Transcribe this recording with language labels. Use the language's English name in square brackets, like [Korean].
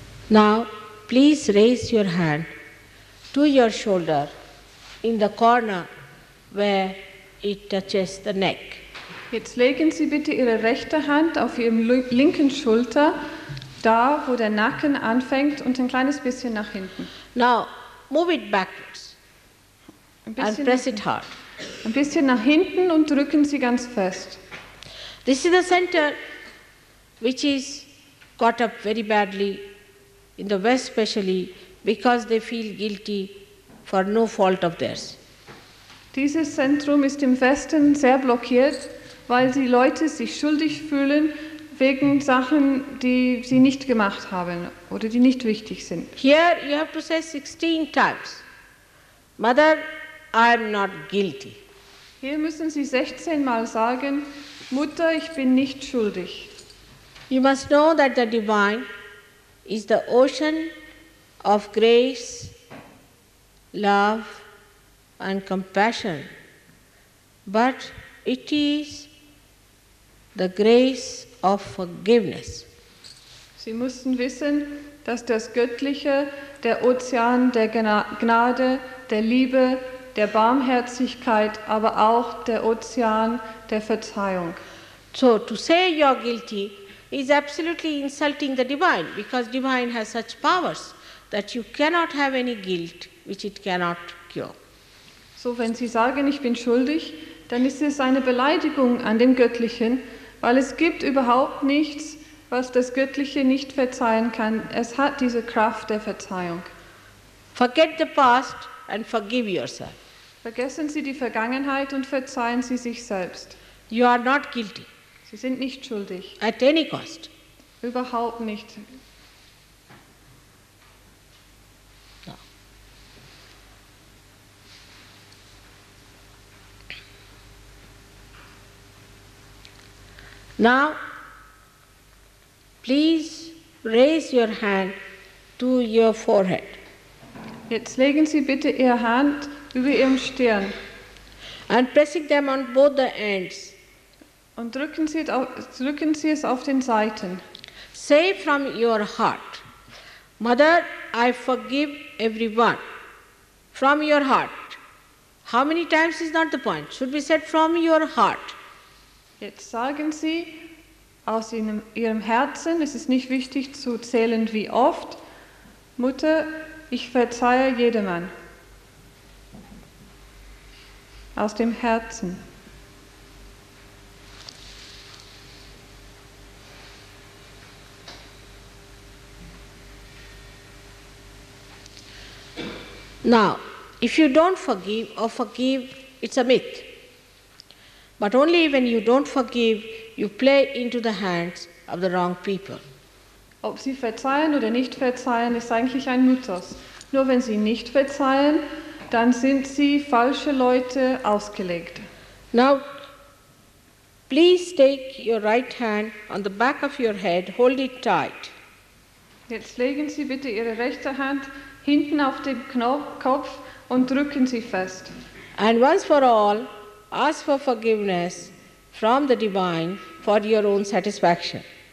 [English] Now, please raise your hand to your shoulder in the corner where it touches the neck. [German] Jetzt legen Sie bitte Ihre rechte Hand auf Ihrem linken Schulter, da wo der Nacken anfängt und ein kleines bisschen nach hinten. [English] Now, move it backwards and press it hard. [German] Ein bisschen nach hinten und drücken Sie ganz fest. [English] This is the center which is caught up very badly in the West especially, because they feel guilty for no fault of theirs. [German] Dieses Zentrum ist im Westen sehr blockiert, weil die Leute sich schuldig fühlen wegen Sachen, die sie nicht gemacht haben oder die nicht wichtig sind. [English] Here you have to say 16 times, Mother, I am not guilty. [German] Hier müssen Sie 16 Mal sagen, Mutter, ich bin nicht schuldig. [English] You must know that the Divine is the ocean of grace, love and compassion, but it is the grace of forgiveness. [German] Sie müssen wissen, dass das Göttliche der Ozean der Gnade, der Liebe, der Barmherzigkeit, aber auch der Ozean der Verzeihung. [English] So, to say you are guilty is absolutely insulting the Divine, because Divine has such powers that you cannot have any guilt which it cannot cure. [German] So, wenn Sie sagen, ich bin schuldig, dann ist es eine Beleidigung an dem Göttlichen, weil es gibt überhaupt nichts, was das Göttliche nicht verzeihen kann. Es hat diese Kraft der Verzeihung. [English] Forget the past and forgive yourself. [German] Vergessen Sie die Vergangenheit und verzeihen Sie sich selbst. [English] You are not guilty. [German] Sie sind nicht schuldig. [English] At any cost. [German] Überhaupt nicht. [English] No. Now, please raise your hand to your forehead. [German] Jetzt legen Sie bitte Ihre Hand über Ihrem Stirn. [English] And pressing them on both the ends. [German] Und drücken Sie es auf den Seiten. [English] Say from your heart, Mother, I forgive everyone. From your heart. How many times is not the point? Should be said from your heart. [German] Jetzt sagen Sie aus Ihrem Herzen, es ist nicht wichtig zu zählen wie oft, Mutter, ich verzeihe jedermann. Aus dem Herzen. [English] Now, if you don't forgive or forgive, it's a myth. But only when you don't forgive, you play into the hands of the wrong people. [German] Ob sie verzeihen oder nicht verzeihen, ist eigentlich ein Mythos. Nur wenn sie nicht verzeihen, dann sind sie falsche Leute ausgelegt. [English] Now, please take your right hand on the back of your head, hold it tight. [German] Jetzt legen Sie bitte Ihre rechte Hand hinten auf den Kopf und drücken Sie fest. [English] And once for all, ask for forgiveness from the Divine for your own satisfaction.